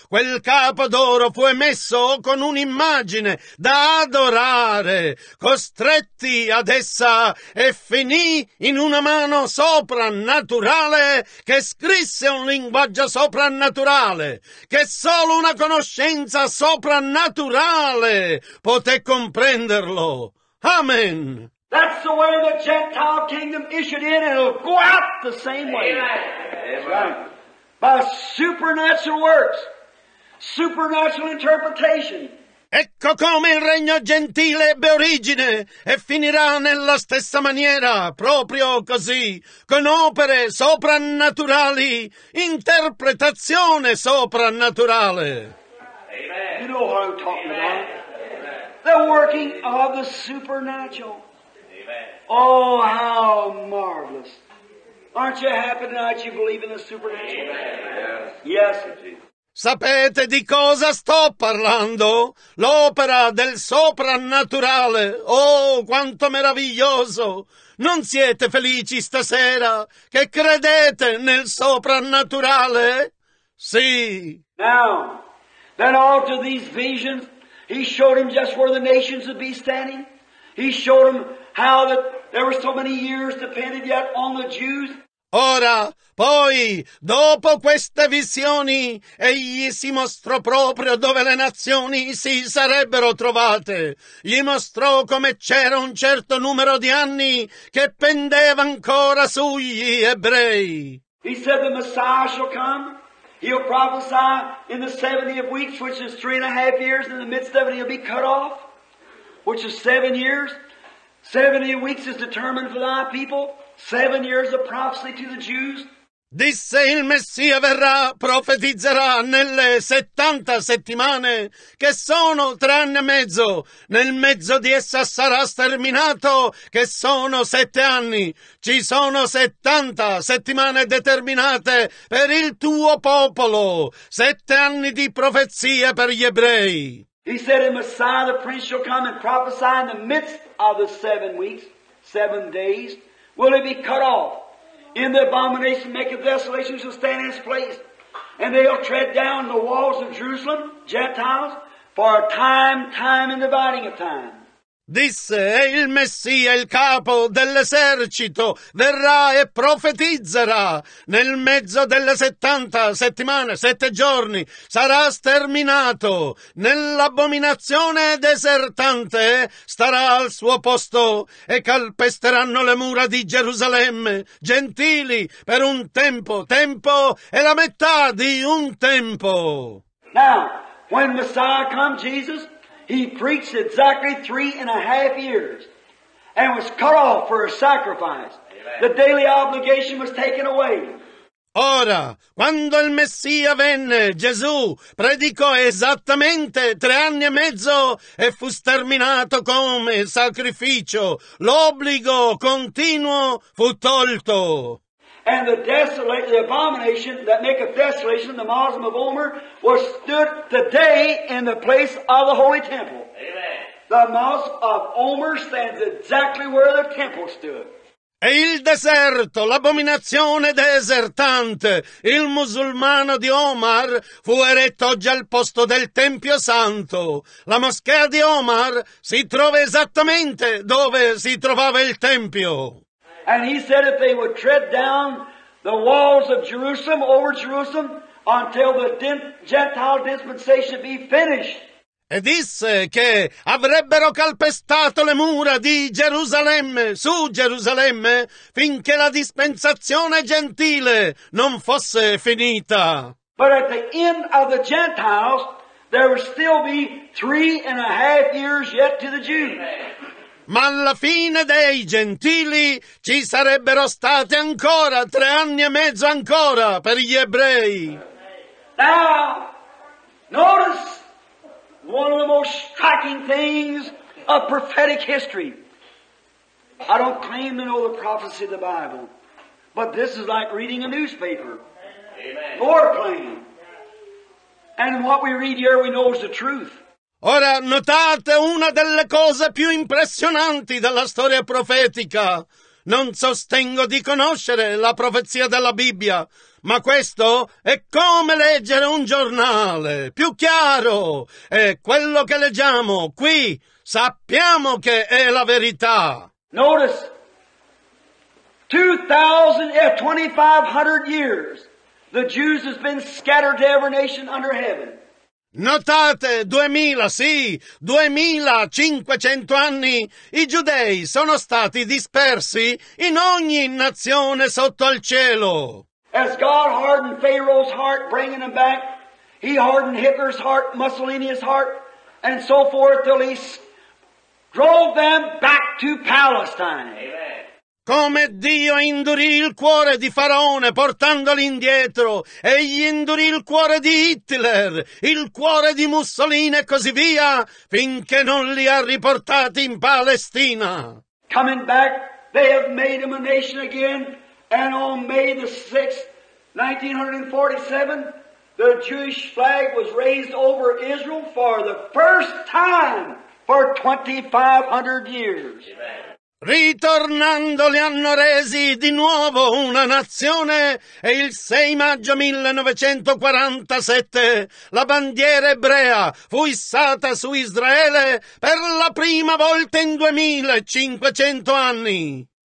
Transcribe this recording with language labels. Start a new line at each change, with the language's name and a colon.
Italian: Quel capo d'oro fu emesso con un'immagine da adorare, costretti ad essa, e finì in una mano soprannaturale che scrisse un linguaggio soprannaturale, che solo una conoscenza soprannaturale poté comprenderlo.
English: Amen. That's the way the Gentile kingdom issued in, and it'll go out the same way. Amen. Amen. By supernatural works, supernatural interpretation. Ecco come il regno gentile ebbe origine e finirà nella stessa maniera, proprio così, con opere soprannaturali, interpretazione soprannaturale. Amen. You know what I'm talking Amen. About. Amen. The working of the supernatural. Amen. Oh, how marvelous. Aren't you happy tonight you believe in the supernatural? Amen. Yes.
Italian: Sapete di cosa sto parlando? L'opera del soprannaturale. Oh, quanto meraviglioso! Non siete felici stasera che credete nel soprannaturale? Sì.
English: Now, then all to these visions, he showed him just where the nations would be standing. He showed him how that there were so many years depended yet on the Jews.
Italian: Ora, poi, dopo queste visioni, egli si mostrò proprio dove le nazioni si sarebbero trovate. Gli mostrò come c'era un certo numero di anni che pendeva ancora sugli ebrei.
English: He said the Messiah shall come. He'll prophesy in the 70 of weeks, which is 3.5 years. In the midst of it, he'll be cut off, which is 7 years. 70 weeks is determined for thy people. 7 years of prophecy to the Jews.
Italian: Disse il Messia verrà, profetizzerà nelle 70 settimane, che sono 3.5. Nel mezzo di essa sarà sterminato, che sono 7 anni. Ci sono 70 settimane determinate per il tuo popolo. 7 anni di profezia per gli ebrei.
English: He said the Messiah, the Prince, shall come and prophesy in the midst of the 7 weeks, 7 days. Will he be cut off? In the abomination maketh desolation shall stand in his place. And they'll tread down the walls of Jerusalem, Gentiles, for a time, time, and dividing of time.
Italian: Disse, è il Messia, il capo dell'esercito, verrà e profetizzerà. Nel mezzo delle 70 settimane, 7 giorni, sarà sterminato. Nell'abominazione desertante starà al suo posto e calpesteranno le mura di Gerusalemme. Gentili, per un tempo, tempo e la metà di un tempo.
English: Now, when Messiah comes, Jesus, he preached exactly 3.5 years and was cut off for a sacrifice. Amen. The daily obligation was taken away.
Italian: Ora, quando il Messia venne, Gesù predicò esattamente 3.5 anni e fu sterminato come sacrificio. L'obbligo continuo fu tolto.
English: And the desolate, the abomination that maketh desolation, the Moslem of Omer, was stood today in the place of the holy temple. Amen. The Mosque of Omer stands exactly where the temple stood.
Italian: E il deserto, l'abominazione desertante, il musulmano di Omar, fu eretto oggi al posto del Tempio Santo. La moschea di Omar si trova esattamente dove si trovava il Tempio.
English: And he said if they would tread down the walls of Jerusalem, over Jerusalem, until the Gentile dispensation be finished.
Italian: E disse che avrebbero calpestato le mura di Gerusalemme, su Gerusalemme, finché la dispensazione gentile non fosse finita.
English: But at the end of the Gentiles, there would still be 3.5 years yet to the Jews.
Italian: Ma alla fine dei gentili ci sarebbero state ancora 3.5 anni ancora per gli ebrei.
English: Now, notice one of the most striking things of prophetic history. I don't claim to know the prophecy of the Bible, but this is like reading a newspaper. Amen. More plain. And what we read here we know is the truth.
Italian: Ora notate una delle cose più impressionanti della storia profetica. Non sostengo di conoscere la profezia della Bibbia, ma questo è come leggere un giornale, più chiaro. E quello che leggiamo qui sappiamo che è la verità.
English: Notice, 2,500 years the Jews have been scattered to every nation under heaven.
Italian: Notate, 2,500 anni, i giudei sono stati dispersi in ogni nazione sotto al cielo.
English: As God hardened Pharaoh's heart, bringing him back, he hardened Hitler's heart, Mussolini's heart, and so forth, till he drove them back to Palestine. Amen.
Italian: Come Dio indurì il cuore di Faraone portandoli indietro, egli indurì il cuore di Hitler, il cuore di Mussolini e così via, finché non li ha riportati in Palestina.
English: Coming back, they have made him a nation again, and on May the 6th, 1947, the Jewish flag was raised over Israel for the first time for 2,500 years. Amen.
Italian: Ritornando li hanno resi di nuovo una nazione e il 6 maggio 1947 la bandiera ebrea fu issata su Israele per la prima volta in 2500 anni.